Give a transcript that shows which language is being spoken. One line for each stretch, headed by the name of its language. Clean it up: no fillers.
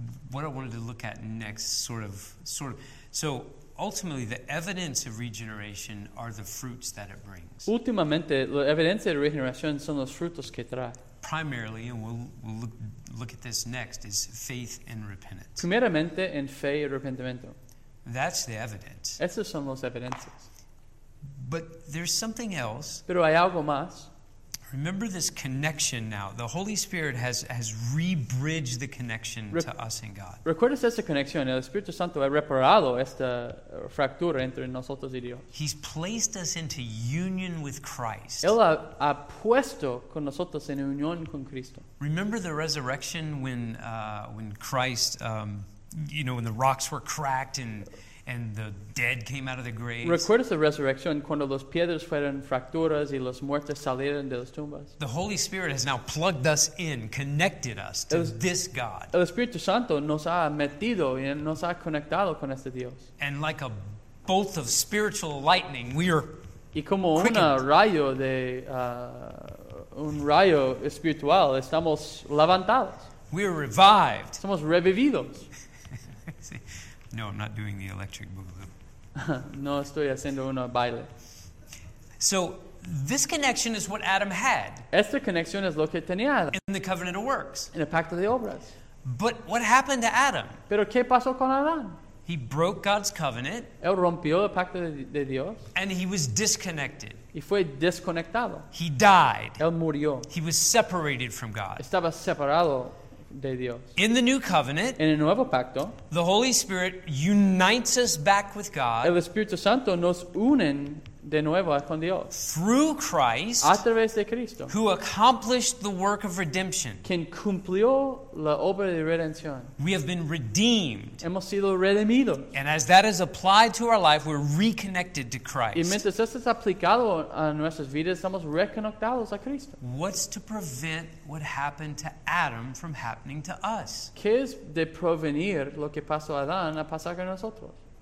English: What I wanted to look at next, sort of. So, ultimately, the evidence of regeneration are the fruits that it brings.
Spanish: Últimamente, la evidencia de regeneración son los frutos que trae.
English: Primarily, and we'll look at this next, is faith and repentance.
Spanish: Primeramente, en fe y arrepentimiento.
English: That's the evidence.
Spanish: Esas son las evidencias.
English: But there's something else.
Spanish: Pero hay algo más.
English: Remember this connection now. The Holy Spirit has rebridged the connection to us and God.
Spanish: ¿Recuerdas esta conexión? El Espíritu Santo ha reparado esta fractura entre nosotros y Dios.
English: He's placed us into union with Christ.
Spanish: Él ha puesto con nosotros en unión con Cristo.
English: Remember the resurrection when Christ, when the rocks were cracked and the dead came out of the graves.
Spanish: ¿Recuerdas la resurrección cuando las piedras fueron fracturas y los muertos salieron de las tumbas?
English: The Holy Spirit has now plugged us in, connected us to this God.
Spanish: El Espíritu Santo nos ha metido y nos ha conectado con este Dios.
English: And like a bolt of spiritual lightning, we are
Spanish: y como
English: quickened.
Spanish: un rayo espiritual, estamos levantados.
English: We are revived.
Spanish: Estamos revividos.
English: No, I'm not doing the electric boogaloo.
Spanish: No, estoy haciendo una baile.
English: So, this connection is what Adam had.
Spanish: Esta conexión es lo que tenía Adam.
English: In the covenant of works.
Spanish: En el pacto de obras.
English: But what happened to Adam?
Spanish: Pero ¿qué pasó con Adán?
English: He broke God's covenant.
Spanish: Él rompió el pacto de Dios.
English: And he was disconnected.
Spanish: Y fue desconectado.
English: He died.
Spanish: Él murió.
English: He was separated from God.
Spanish: Estaba separado de Dios.
English: In the new covenant,
Spanish: en el nuevo pacto,
English: the Holy Spirit unites us back with God.
Spanish: El Espíritu Santo nos unen de nuevo con Dios.
English: Through Christ,
Spanish: a través de Cristo,
English: who accomplished the work of redemption,
Spanish: quien cumplió la obra de redención,
English: we have been redeemed.
Spanish: Hemos sido redimidos.
English: And as that is applied to our life, we're reconnected to Christ.
Spanish: Y mientras esto es aplicado a nuestras vidas, estamos reconectados a Cristo.
English: What's to prevent what happened to Adam from happening to us?
Spanish: ¿Qué es de prevenir lo que pasó a Adán a pasar con nosotros?